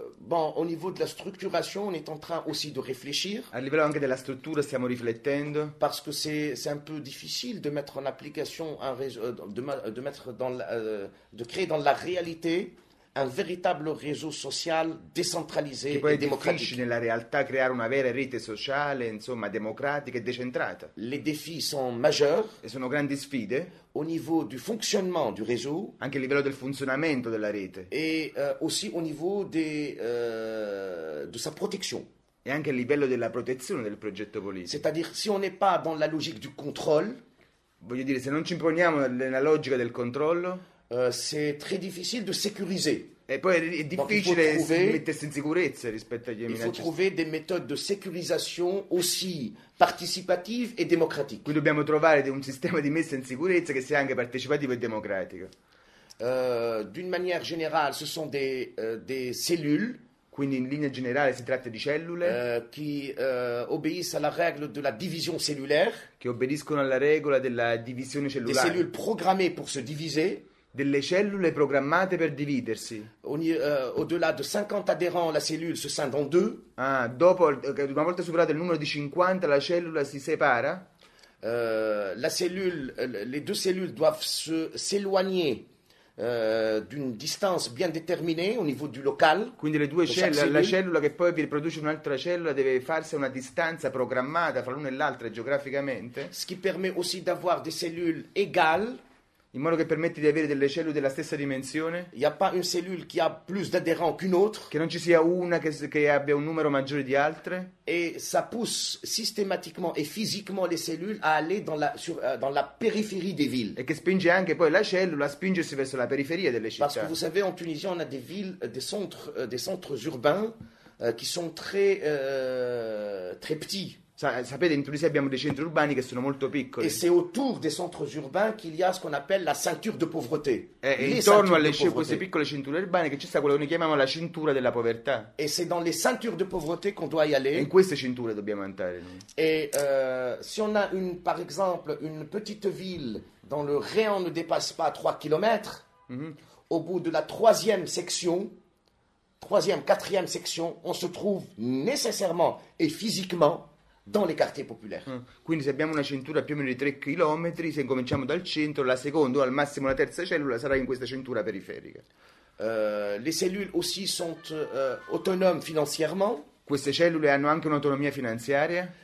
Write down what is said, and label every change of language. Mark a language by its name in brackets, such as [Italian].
[French] Au niveau de la structuration, on est en train aussi de réfléchir. [Italian] A livello anche della struttura stiamo riflettendo. [French] Parce que c'est un peu difficile de mettre en application un réseau, de mettre dans la, de créer dans la réalité un véritable réseau social décentralisé [Italian] che poi [French] et démocratique. [Italian] Difficile nella realtà creare una vera rete sociale, insomma, democratica e decentrata. [French] Les défis sont majeurs. [Italian] E sono grandi sfide. [French] Au niveau du fonctionnement du réseau, [Italian] anche a livello del funzionamento della rete, [French] et aussi au niveau de sa protection, [Italian] e anche a livello della protezione del progetto politico. [French] C'est-à-dire si on n'est pas dans la logique du contrôle, [Italian] voglio dire se non ci imponiamo nella logica del controllo, [French] c'est très difficile de sécuriser. [Italian] E poi è difficile mettersi in sicurezza rispetto agli minacciosi. [French] Il faut trouver des méthodes de sécurisation aussi participative et démocratique. [Italian] Quindi dobbiamo trovare un sistema di messa in sicurezza che sia anche partecipativo e democratico. [French] D'une manière générale, ce sont des cellules. [Italian] Quindi in linea generale si tratta di cellule [French] qui obéissent à la règle de la division cellulaire. [Italian] Che obbediscono alla regola della divisione cellulare. [French] Des cellules programmées pour se diviser. [Italian] Delle cellule programmate per dividersi. [French] Au-delà de 50 adhérents, la cellule se scinde en deux. [Italian] Ah, dopo, una volta superato il numero di 50, la cellula si separa. [French] La cellule, les deux cellules doivent s'éloigner d'une distance bien déterminée au niveau du local. [Italian] Quindi le due cellule, la cellula che poi riproduce un'altra cellula deve farsi una distanza programmata fra l'una e l'altra geograficamente. [French] Ce qui permet aussi d'avoir des cellules égales. [Italian] In modo che permette di avere delle cellule della stessa dimensione. [French] Il n'y a pas une cellule qui a plus d'adhérents qu'une autre. [Italian] Che non ci sia una che abbia un numero maggiore di altre. [French] Et ça pousse systématiquement et physiquement les cellules à aller dans la dans la périphérie des villes. [Italian] E che spinge anche poi la cellula a spingersi verso la periferia delle città. [French] Parce que vous savez, en Tunisie, on a des villes, des centres urbains qui sont très très petits. [Italian] Sapete, in Tunisia abbiamo dei centri urbani che sono molto piccoli. [French] Et c'est autour des centres urbains qu'il y a ce qu'on appelle la ceinture de pauvreté. [Italian] E intorno alle queste piccole cinture urbane che ci sta quello che noi chiamiamo la cintura della povertà. [French] Et c'est dans les ceintures de pauvreté qu'on doit y aller. [Italian] E in queste cinture dobbiamo andare. [French] Et si on a une, par exemple, une petite ville dont le rayon ne dépasse pas 3 km, au bout de la troisième section, troisième, quatrième section, on se trouve nécessairement et physiquement dans les quartiers populaires. [Italian] Quindi se abbiamo una cintura più o meno di 3 km, se cominciamo dal centro, la seconda o al massimo la terza cellula sarà in questa cintura periferica. [French] Les cellules aussi sont autonomes financièrement. [Italian] Queste cellule hanno anche un'autonomia finanziaria.